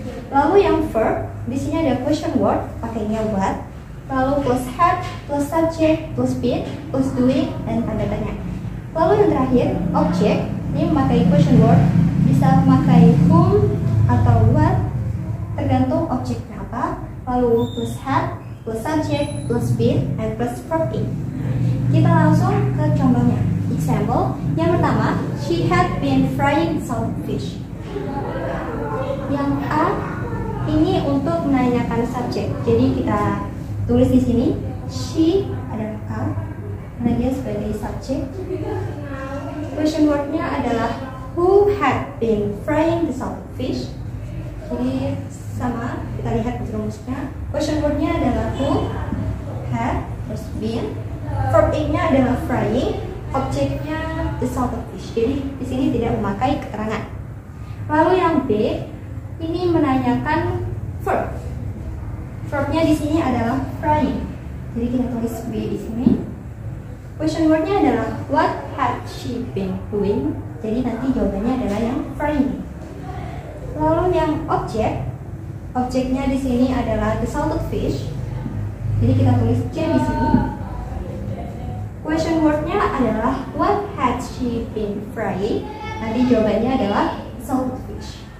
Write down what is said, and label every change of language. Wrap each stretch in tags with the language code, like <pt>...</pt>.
<id>Lalu yang verb di sini ada question word pakainya what.</id> <en>Lalu plus had, plus subject, plus been, plus doing,</en> <id>dan tanda tanya. Lalu yang terakhir, object, ini memakai question word, bisa memakai whom atau what, tergantung objeknya apa.</id> <en>Lalu plus had, plus subject, plus been, and plus verb in.</en> <id>Kita langsung ke contohnya.</id> <en>Example,</en> <id>yang pertama,</id> <en>she had been frying some fish.</en> <id>Yang A, ini untuk menanyakan subject, jadi kita tulis di sini, she adalah a, karena dia sebagai subject.</id> <en>Question word-nya adalah who had been frying the salt fish.</en> <id>Jadi sama, kita lihat rumusnya. Question word-nya adalah who had plus been. Verb in-nya adalah frying, objeknya the salt fish. Jadi di sini tidak memakai keterangan. Lalu yang B, ini menanyakan verb. Verbnya di sini adalah frying. Jadi kita tulis B di sini.</id> <en>Question word-nya adalah what had she been doing?</en> <id>Jadi nanti jawabannya adalah yang frying. Lalu yang object, objeknya di sini adalah the salted fish. Jadi kita tulis C di sini.</id> <en>Question word-nya adalah what had she been frying?</en> <id>Nanti jawabannya adalah salted fish.</id>